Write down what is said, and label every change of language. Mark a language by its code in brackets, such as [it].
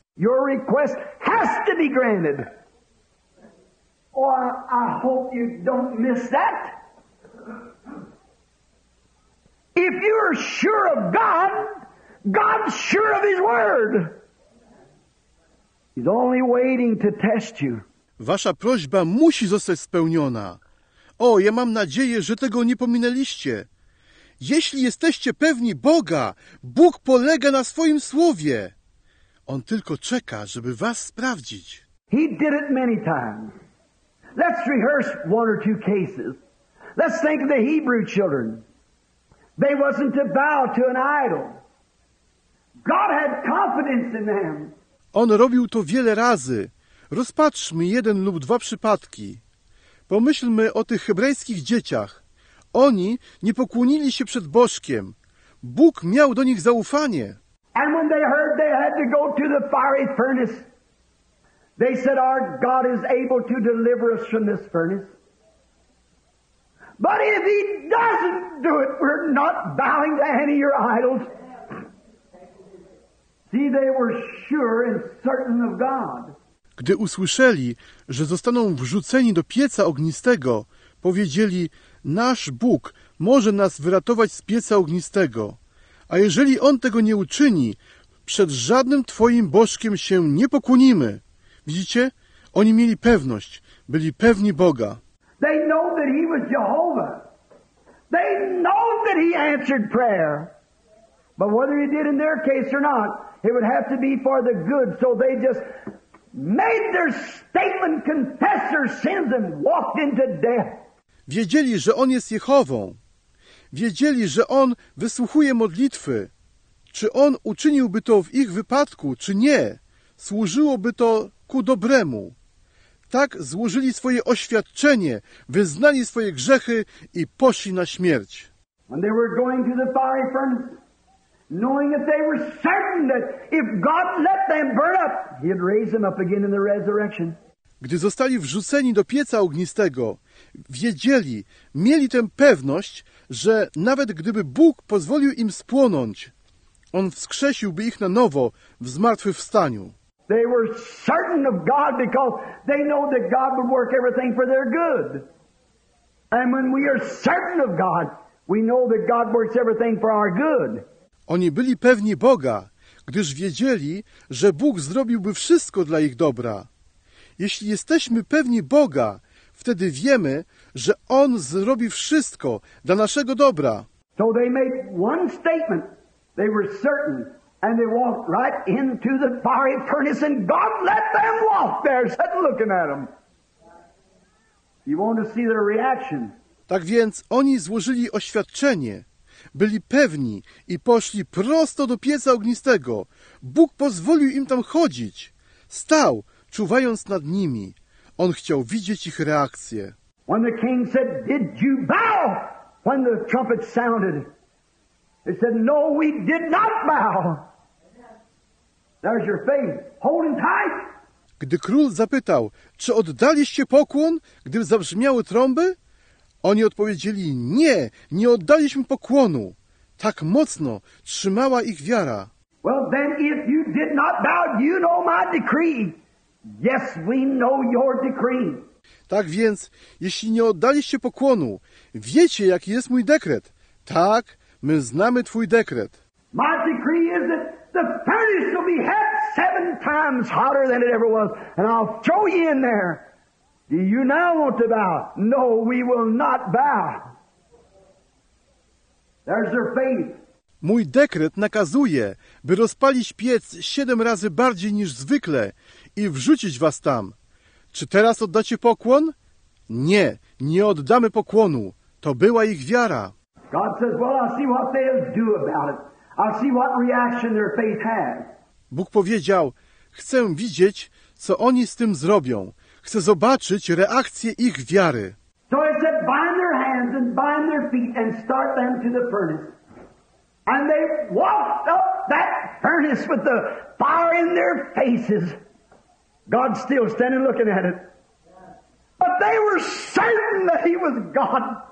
[en] Your request has to be granted. Or I hope you don't miss that. If you are sure of God, God's sure of His word. He's only waiting to test you. [pl] Wasza prośba musi zostać spełniona. O, ja mam nadzieję, że tego nie pominęliście. Jeśli jesteście pewni Boga, Bóg polega na swoim słowie. On tylko czeka, żeby was sprawdzić. [en] He did it many times. Let's rehearse one or two cases. Let's think of the Hebrew children. They wasn't to bow to an idol. God had confidence in them. [pl] On robił to wiele razy. Rozpatrzmy jeden lub dwa przypadki. Pomyślmy o tych hebrajskich dzieciach. Oni nie pokłonili się przed bożkiem. Bóg miał do nich zaufanie. [en] And when they heard they had to go to the fiery furnace, they said, our God is able to deliver us from this furnace. But if He doesn't do it, we're not bowing to any of your idols. See, they were sure and certain of God. [pl] Gdy usłyszeli, że zostaną wrzuceni do pieca ognistego, powiedzieli, nasz Bóg może nas wyratować z pieca ognistego. A jeżeli On tego nie uczyni, przed żadnym Twoim bożkiem się nie pokłonimy. Widzicie? Oni mieli pewność, byli pewni Boga. [en] They know that He was Jehovah. They know that He answered prayer. But whether He did in their case or not, it would have to be for the good. So they just made their statement, confessed their sins and walked into death. [pl] Wiedzieli, że On jest Jehową. Wiedzieli, że On wysłuchuje modlitwy. Czy On uczyniłby to w ich wypadku, czy nie? Służyłoby to ku dobremu. Tak złożyli swoje oświadczenie, wyznali swoje grzechy i poszli na śmierć. [en] And they were going to the fiery furnace, knowing that they were certain that if God let them burn up, He'd raise them up again in the resurrection. [pl] Gdy zostali wrzuceni do pieca ognistego, wiedzieli, mieli tę pewność, że nawet gdyby Bóg pozwolił im spłonąć, On wskrzesiłby ich na nowo w zmartwychwstaniu. [en] They were certain of God because they know that God would work everything for their good. And when we are certain of God, we know that God works everything for our good. [pl] Oni byli pewni Boga, gdyż wiedzieli, że Bóg zrobiłby wszystko dla ich dobra. Jeśli jesteśmy pewni Boga, wtedy wiemy, że On zrobi wszystko dla naszego dobra. [en] So they made one statement. They were certain. And they walked right into the fiery furnace and God let them walk there, sat looking at them. You want to see their reaction. [pl] Tak więc oni złożyli oświadczenie. Byli pewni i poszli prosto do pieca ognistego. Bóg pozwolił im tam chodzić. Stał, czuwając nad nimi. On chciał widzieć ich reakcję. [en] When the king said, did you bow? When the trumpet sounded, they said, no, we did not bow. There's your faith. Hold him tight. [pl] Gdy król zapytał, czy oddaliście pokłon, gdy zabrzmiały trąby? Oni odpowiedzieli, nie, nie oddaliśmy pokłonu. Tak mocno trzymała ich wiara. [en] Well, then if you did not bow, you know my decree. Yes, we know your decree. [pl] Tak więc, jeśli nie oddaliście pokłonu, wiecie, jaki jest mój dekret. Tak, my znamy twój dekret. [en] My decree is that the furnace will be hot 7 times hotter than it ever was, and I'll throw you in there. Do you now want to bow? No, we will not bow. There's your faith. [pl] Mój dekret nakazuje, by rozpalić piec 7 razy bardziej niż zwykle i wrzucić was tam. Czy teraz oddacie pokłon? Nie, nie oddamy pokłonu. To była ich wiara. [en] God says, well, I'll see what they'll do about it. I'll see what reaction their faith has. [pl] Bóg powiedział, chcę widzieć, co oni z tym zrobią. Chcę zobaczyć reakcję ich wiary. [en] So it said, bind their hands and bind their feet and start them to the furnace. And they walked up that furnace with the fire in their faces. God still standing looking at it. But they were certain that he was God.